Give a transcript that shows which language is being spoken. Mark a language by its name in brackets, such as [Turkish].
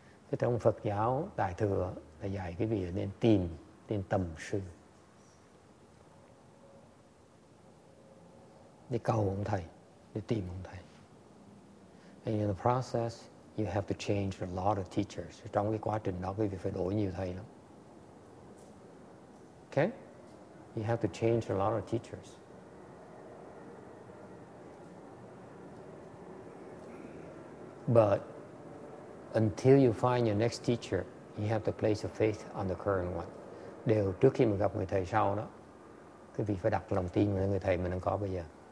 [Vietnamese] Thế trong Phật giáo Đại Thừa là dạy cái việc nên tìm, nên tầm sư. Đi cầu ông thầy, đi tìm ông thầy. [English] And in the process, you have to change a lot of teachers. [Vietnamese] Trong cái quá trình đó, quý vị phải đổi nhiều thầy lắm. [English] Okay? You have to change a lot of teachers. But until you find your next teacher, you have to place your faith on the current one. [Vietnamese] Đều trước khi mình gặp người thầy sau đó, quý vị phải đặt lòng tin vào người thầy mình đang có bây giờ.